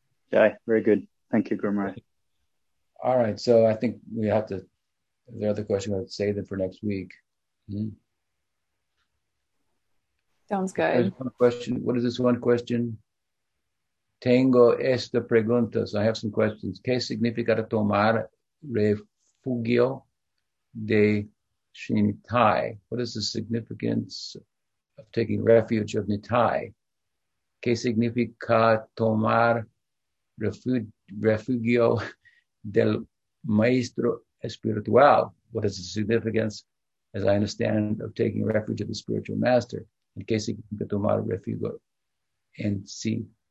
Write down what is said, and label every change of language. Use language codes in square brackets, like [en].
[en] Yeah, very good. Thank you, Guru Maharaj. All right, so I think we have to, the other question, we'll save them for next week. Sounds good. One question. What is this one question? [es] Tengo esta pregunta. [en] So I have some questions. [es] ¿Qué significa tomar refugio de Nitai? [en] What is the significance of taking refuge of Nitai? [es] ¿Qué significa tomar refugio del maestro espiritual? [en] What is the significance, as I understand, of taking refuge of the spiritual master? [es] ¿En qué significa tomar refugio en sí?